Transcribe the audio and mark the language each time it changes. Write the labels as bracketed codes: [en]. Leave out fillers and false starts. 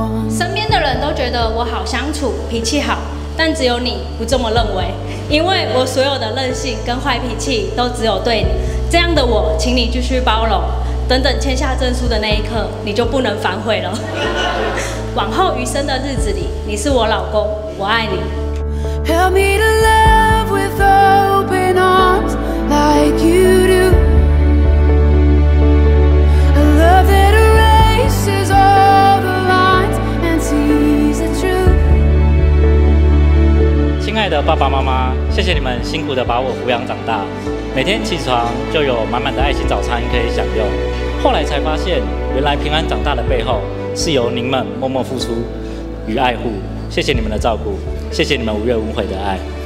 [zh] 身边的人都觉得我好相处，脾气好，但只有你不这么认为，因为我所有的任性跟坏脾气都只有对你。这样的我，请你继续包容。等签下证书的那一刻，你就不能反悔了。往后余生的日子里，你是我老公，我爱你。 [en] Help me to love with open arms like you do. A love that erases all the lines and sees the truth. [zh] 亲爱的爸爸妈妈，谢谢你们辛苦的把我抚养长大。每天起床就有满满的爱心早餐可以享用，后来才发现原来平安长大的背后是由您们默默付出与爱护，谢谢你们的照顾，谢谢你们无怨无悔的爱。